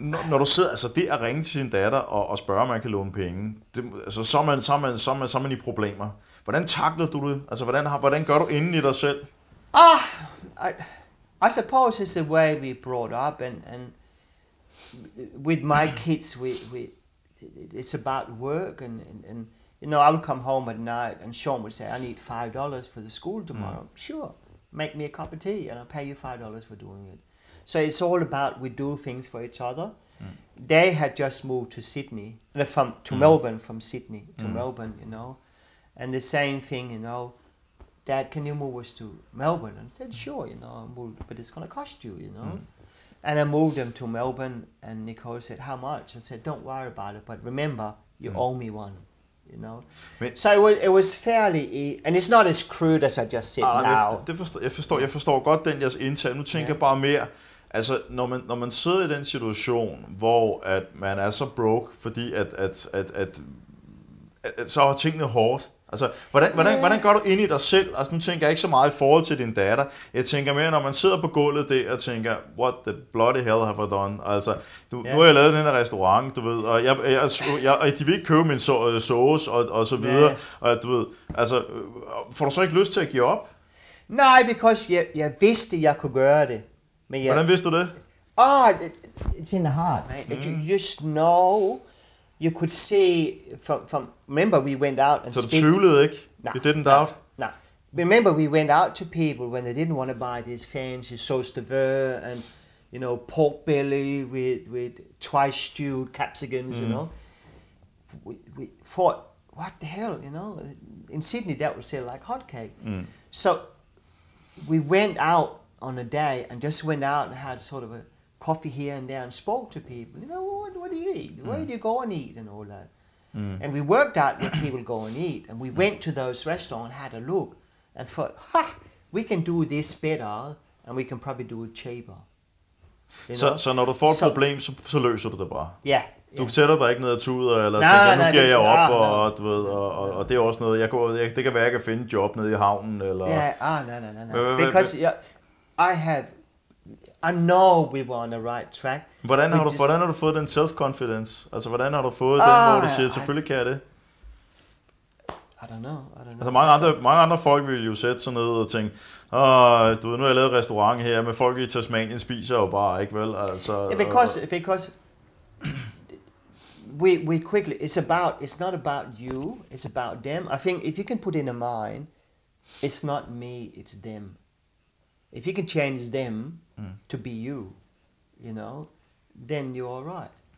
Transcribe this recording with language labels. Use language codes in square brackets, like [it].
[da] Når du sidder, altså det at ringe til din datter og spørge, om man kan låne penge, det, altså så er man i problemer. Hvordan takler du det? Altså, hvordan gør du inden i dig selv? [en] I suppose it's the way we brought up, and with my kids, it's about work, and you know, I would come home at night, and Sean would say, "I need $5 for the school tomorrow." Sure, make me a cup of tea, and I'll pay you $5 for doing it. So it's all about we do things for each other. They had just moved to Sydney, Melbourne, from Sydney to Melbourne, you know, and the same thing, you know, Dad, can you move us to Melbourne? And I said, sure, you know, move, but it's gonna cost you, you know. And I moved them to Melbourne, and Nicole said, how much? I said, don't worry about it, but remember, you owe me one, you know? So it was fairly, and it's not as crude as I just said now. [da] Jeg forstår godt den jeres indtag. Nu tænker jeg bare mere, altså når man sidder i den situation, hvor at man er så broke, fordi at så er tingene hårdt. Altså, hvordan går du ind i dig selv? Altså, nu tænker jeg ikke så meget i forhold til din datter. Jeg tænker mere, når man sidder på gulvet der og tænker, [en] what the bloody hell have I done? [da] Altså, nu har jeg lavet den her restaurant, du ved, og de vil ikke købe min sauce og så videre. Og du ved, altså, får du så ikke lyst til at give op? Nej, because jeg vidste, jeg kunne gøre det. Men hvordan vidste du det? [en] It's in the heart, right? You just know. You could see from remember we went out and speak. [da] So tvivlede ikke? [en] Nah, you didn't doubt? Nah. Remember we went out to people when they didn't want to buy these fancy sauce de ver and, you know, pork belly with twice stewed capsicums, you know. We thought, what the hell, you know? In Sydney that would sell like hotcake. So we went out on a day and just went out and had sort of a coffee here and there and spoke to people, you know, what do you eat? Where do you go and eat and all that? And we worked out where people go and eat, and we went to those restaurants, had a look, and thought, ha, we can do this better, and we can probably do it cheaper. [da] So når du får et problem, så løser du det bare? [en] Yeah. [da] Du sætter dig ikke ned og tuder, eller tænker, nu giver jeg op, og det er også noget, det kan være, jeg kan finde job nede i havnen, eller... [en] Because I have... I know we were on the right track. [da] Hvordan har du fået den self-confidence? Altså, hvordan har du fået den måde, du siger, selvfølgelig kan jeg det? [en] I don't know. [da] Altså, mange andre folk ville jo sætte sig ned og tænke, du ved, nu har jeg lavet et restaurant her, men folk i Tasmanien spiser jo bare, ikke vel? Altså, [en] because we quickly, it's not about you, it's about them. I think if you can put in a mind, it's not me, it's them. If you can change them to be you, you know, then you're all right.